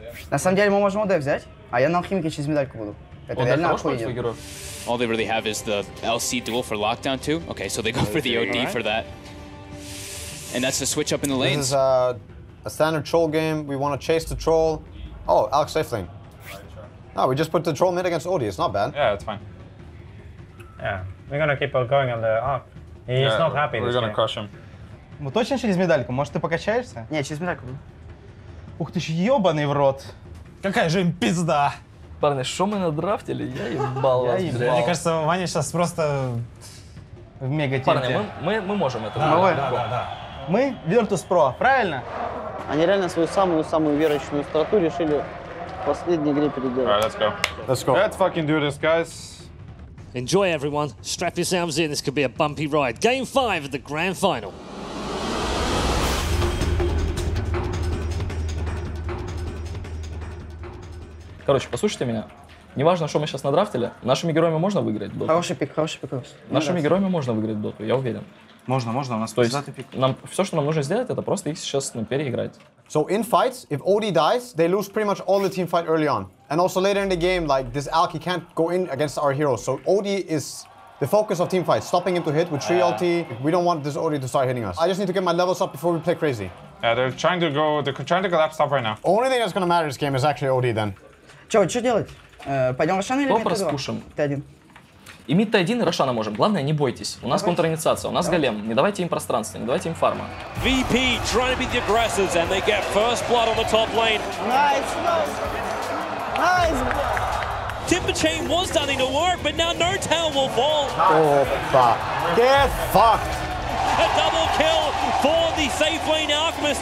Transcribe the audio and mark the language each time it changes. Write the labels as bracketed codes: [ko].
[ru] На самом деле мы можем ОД взять, а я на алхимике через медальку буду. [en] All they really have is the LC duel for lockdown too. Okay, so they go for the OD for that. And that's the switch up in the lanes. This is a standard troll game. We want to chase the troll. Oh, Alex Safling. No, we just put the troll mid against OD. It's not bad. Yeah, it's fine. Yeah, we're gonna keep going on the arc. He's yeah, not happy. We're gonna game. Crush him. [ru] Мы точно через медальку? Может, ты покачаешься? Не, через медальку. Ух ты ж, ёбаный в рот. Какая же им пизда. Парни, шо мы надрафтили? Я ебал вас, блядь. Мне кажется, Ваня сейчас просто в мега-тильте. Парни, мы можем это. Да. Мы Virtus Pro, правильно? Они реально свою самую-самую верочную строку решили в последней игре переделать. [en] All right, let's go. Let's go. Let's fucking do this, guys. Enjoy, everyone. Strap yourselves in. This could be a bumpy ride. Game 5 of the Grand Final. [ru] Короче, послушайте меня. Неважно, что мы сейчас надрафтили, нашими героями можно выиграть доту. Хороший пик. Нашими героями можно выиграть доту, я уверен. Можно, у нас пиздатый пик. Нам все, что нам нужно сделать, это просто их сейчас переиграть. [en] So in fights, if OD dies, they lose pretty much all the team fight early on. And also later in the game, like this Alki can't go in against our heroes. So OD is the focus of team fight, stopping him to hit with 3 ulti. We don't want this OD to start hitting us. I just need to get my levels up before we play crazy. Yeah, they're trying to collapse up right now. Only thing that's gonna matter in this game is actually OD then. [ru] Что делать? Пойдем Рошана или Мид-Т2? Распушим. Т1. И Мид-Т1, и Рошана можем. Главное, не бойтесь. У нас контр-инициация, у нас голем. Не давайте им пространство, не давайте им фарма. [en] VP trying to be the aggressors, and they get first blood on the top lane. Nice. Timber chain was starting to work, but now Nortel will fall. Опа. Get fucked. A double kill for the safe lane Alchemist.